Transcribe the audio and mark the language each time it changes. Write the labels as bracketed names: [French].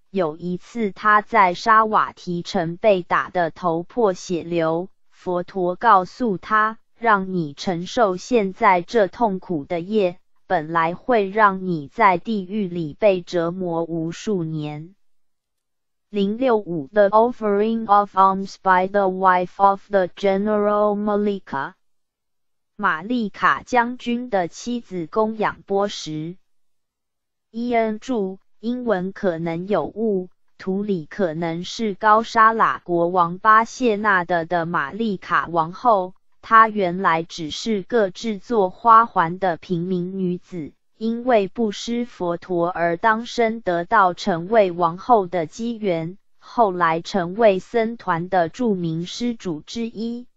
[Chinese] 有一次他在沙瓦提城被打得头破血流，佛陀告诉他，让你承受现在这痛苦的业，本来会让你在地狱里被折磨无数年。 065 [English] The offering of alms by the wife of the general Malika. [Chinese] 玛丽卡将军的妻子供养波什。 E.N. 注，英文可能有误，图里可能是高沙喇国王巴谢纳德的玛丽卡王后，她原来只是个制作花环的平民女子，因为布施佛陀而当身得到成为王后的机缘，后来成为僧团的著名施主之一。